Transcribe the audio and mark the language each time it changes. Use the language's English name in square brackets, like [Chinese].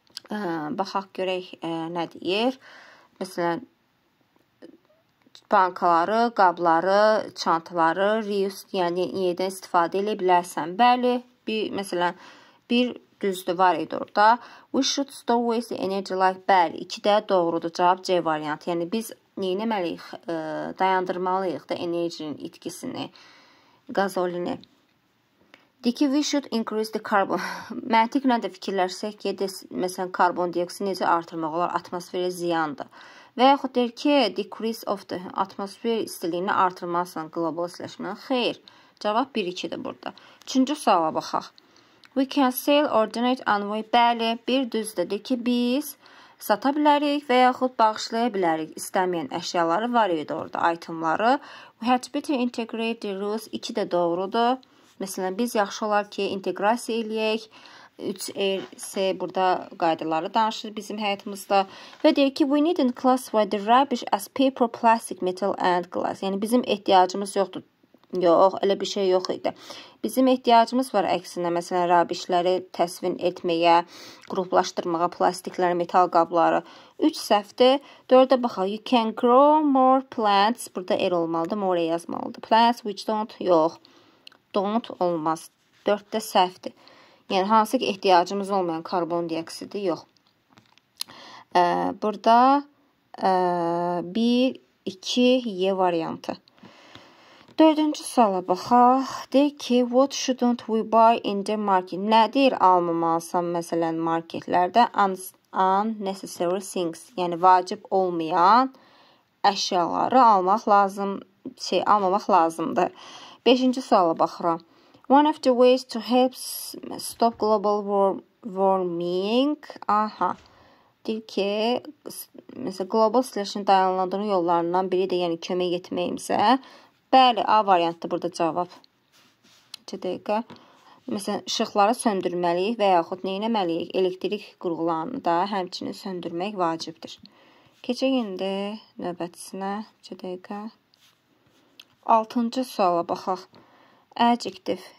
[Azerbaijani] Baxaq görək nə deyir. Məsələn, bankaları, qabları, çantaları reuse, yəni yenidən istifadə edə bilərsən. Bəli, bir, məsələn, bir düzdür var idi orada. [English] We should store waste energy like [Azerbaijani] bəli. İki də doğrudur cavab C variantı. Yəni biz neyin eləməliyik? Dayandırmalıyıq da enerjinin itkisini, qazolini. Deyir ki, [English] we should increase the carbon. [Azerbaijani] Məntiqlə də fikirlərsək ki, məsələn, karbon dioksidi necə artırmaq olar? Atmosferə ziyandır. Və yaxud deyir ki, decrease of the atmosfer istiliyini artırmasın qlobal istiləşmənin. Xeyr. Cavab 1-2-dir burada. Üçüncü suala baxaq. [English] We can sell or donate envoy. [Azerbaijani] Bəli, bir düzdür ki, biz sata bilərik və yaxud bağışlaya bilərik istəməyən əşyaları var idi orada, itemları. [English] We had better integrate the rules. [Azerbaijani] İki də doğrudur. Məsələn, biz yaxşı olar ki, inteqrasiya eləyək. 3RC burada qaydaları danışır bizim həyatımızda. Və deyir ki, [English] we needn't classify the rubbish as paper, plastic, metal and glass. [Azerbaijani] Yəni, bizim ehtiyacımız yoxdur. Yox, elə bir şey yox idi. Bizim ehtiyacımız var əksinə, məsələn, rabişləri təsvin etməyə, qruplaşdırmağa, plastikləri, metal qabları. 3 səhvdir. 4-də baxaq. [English] You can grow more plants. [Azerbaijani] Burada er olmalıdır, more yazmalıdır. [English] Plants which don't, [Azerbaijani] yox. Don't olmaz. 4-də səhvdir. Yəni, hansı ki ehtiyacımız olmayan karbon dioksidi, yox. Burada 1, 2, Y variantı. Dördüncü suala baxaq. Deyir ki, [English] what shouldn't we buy in the market? [Azerbaijani] Nədir almamalısan, məsələn, marketlərdə? [English] Unnecessary things. [Azerbaijani] Yəni, vacib olmayan əşyaları almaq lazım, almamaq lazımdır. Beşinci suala baxıram. [English] One of the ways to help stop global warming. Aha. [Azerbaijani] Deyir ki, məsələn, global istiləşin dayanlandığı yollarından biri də, yəni, kömək etməyimizə. Bəli, A variantı burada cavab. İki dəqiqə. Məsələn, işıqları söndürməliyik və yaxud nə etməliyik? Elektrik qurğularını da həmçinin söndürmək vacibdir. Keçək indi növbətisinə. İki dəqiqə. Altıncı suala baxaq. Adjective.